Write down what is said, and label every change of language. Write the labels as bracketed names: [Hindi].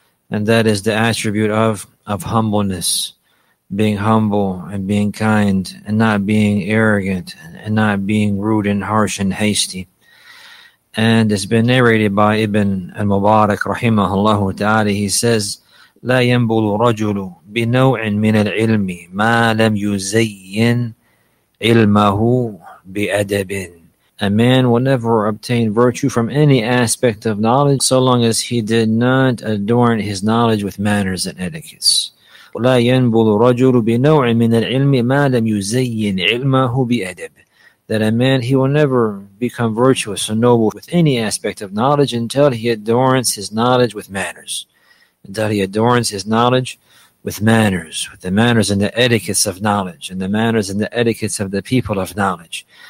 [English] and that is the attribute of humbleness, being humble and being kind and not being arrogant and not being rude and harsh and hasty. And it's been narrated by Ibn al-Mubarak rahimahullah ta'ala. He says, [Arabic] لا ينبل رجل بنوع من العلم ما لم يزين علمه بأدب. [English] A man will never obtain virtue from any aspect of knowledge so long as he did not adorn his knowledge with manners and etiquettes. [Arabic] لا ينبل رجل بنوع من العلم ما لم يزين علمه بأدب. [English] That a man, he will never become virtuous or noble with any aspect of knowledge until he adorns his knowledge with manners. Until he adorns his knowledge with manners, with the manners and the etiquettes of knowledge, and the manners and the etiquettes of the people of knowledge.